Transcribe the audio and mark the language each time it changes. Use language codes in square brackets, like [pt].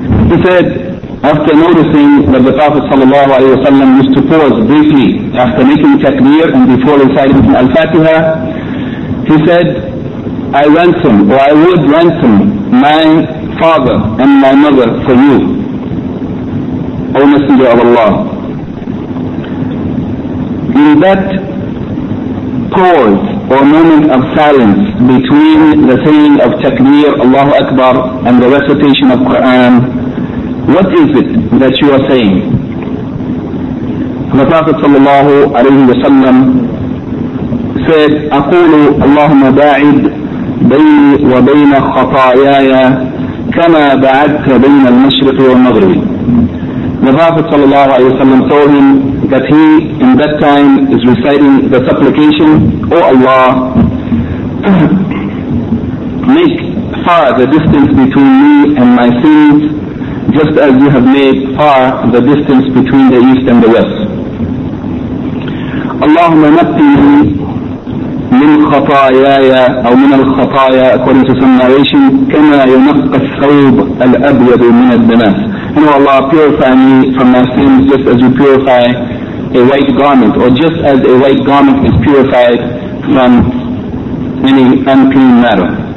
[en] He said, after noticing that the Prophet sallallahu alayhi wa sallam used to pause briefly after making takbir and before reciting Al-Fatiha, he said, I would ransom my father and my mother for you, O Messenger of Allah. In that pause or moment of silence between the saying of takbir, Allahu Akbar, and the recitation of Quran, what is it that you are saying? The Prophet sallallahu alayhi wa sallam said, [ar] أقول اللهم باعد بيني وبين خطاياي كما بعدت بين المشرق والمغرب. [en] The Prophet sallallahu alayhi wa sallam told him that he in that time is reciting the supplication, O Allah, make far the distance between me and my sins, just as you have made far the distance between the east and the west. [ar] اللهم نقني من خطاياي أو من الخطايا, [en] according to some narration, [ar] كما ينقى الثوب الأبيض من الدماس. [en] And O Allah, purify me from my sins just as you purify a white garment, or just as a white garment is purified from any unclean matter.